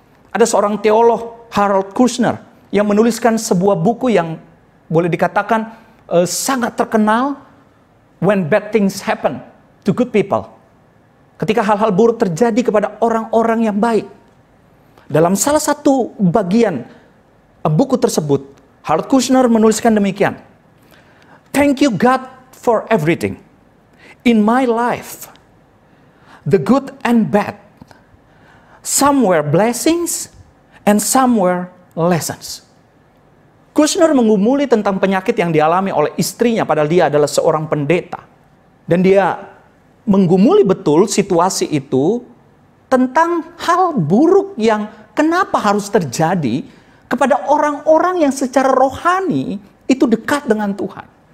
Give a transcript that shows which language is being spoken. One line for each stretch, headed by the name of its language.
Indonesian: Ada seorang teolog, Harold Kushner, yang menuliskan sebuah buku yang boleh dikatakan sangat terkenal, When Bad Things Happen to Good People. Ketika hal-hal buruk terjadi kepada orang-orang yang baik. Dalam salah satu bagian buku tersebut, Harold Kushner menuliskan demikian.
English: Thank you God for everything. In my life, the good and bad. Some were blessings and some were lessons.
Indonesian: Kushner menggumuli tentang penyakit yang dialami oleh istrinya padahal dia adalah seorang pendeta. Dan dia menggumuli betul situasi itu tentang hal buruk yang kenapa harus terjadi kepada orang-orang yang secara rohani itu dekat dengan Tuhan.